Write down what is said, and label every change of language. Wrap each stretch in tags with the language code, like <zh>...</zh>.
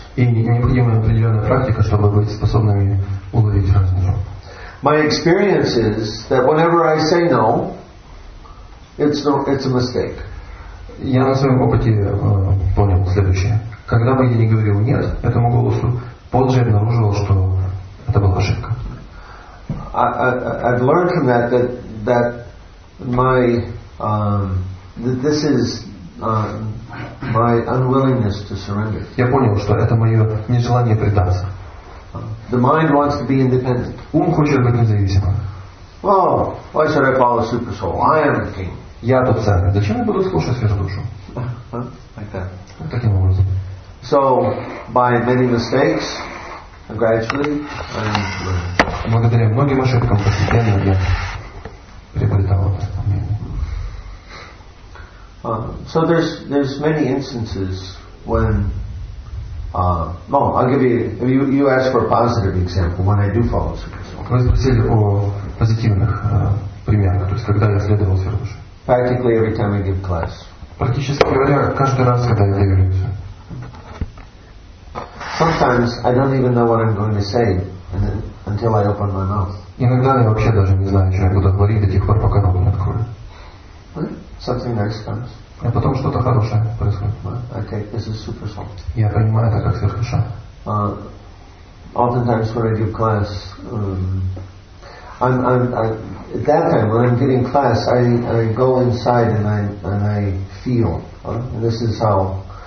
<ru>И необходима определенная практика, чтобы быть способными уловить разницу.</ru> <en>My experience is that whenever I say no, it's a mistake.</en> <ru>Я на своем опыте понял следующее: когда бы я не говорил нет этому голосу, позже обнаружил, что это была ошибка.</ru> <en>I've learned from that my this is my unwillingness to surrender.</en> <ru>Я понял, что это мое нежелание предаться.</ru> <en>The mind wants to be independent.</en> <ru>Ум хочет быть независимым.</ru> <en>Oh, why should I follow the super soul? I am the king.</en> <ru>Я тот царь. Зачем я буду слушать сверхдушу?</ru> <en>Like that.</en> <ru>Вот таким образом.</ru> <en>So, by many mistakes, gradually, I'm learning.</en> <ru>Благодаря многим ошибкам постепенно я приобретал это.</ru> <en>So there's many instances when I'll give you. You asked for a positive example when I do follow super soul.</en> <ru>Вы спросили о позитивных примерах, то есть когда я следовал сверхдуше.</ru> <en>Practically every time I give class.</en> <ru>Практически говоря, каждый раз, когда я даю лекцию.</ru> <en>Sometimes I don't even know what I'm going to say until I open my mouth.</en> <ru>Иногда я вообще даже не знаю, что я буду говорить до тех пор, пока рот не открою.</ru> <en>Something nice comes.</en> <ru>А потом что-то хорошее происходит.</ru> <en>Okay, this is super soul.</en> <ru>Я понимаю это как сверхдуша.</ru> <en>Oftentimes when I give class, I'm at that time when I'm giving class, I go inside and I feel. This is how.</en>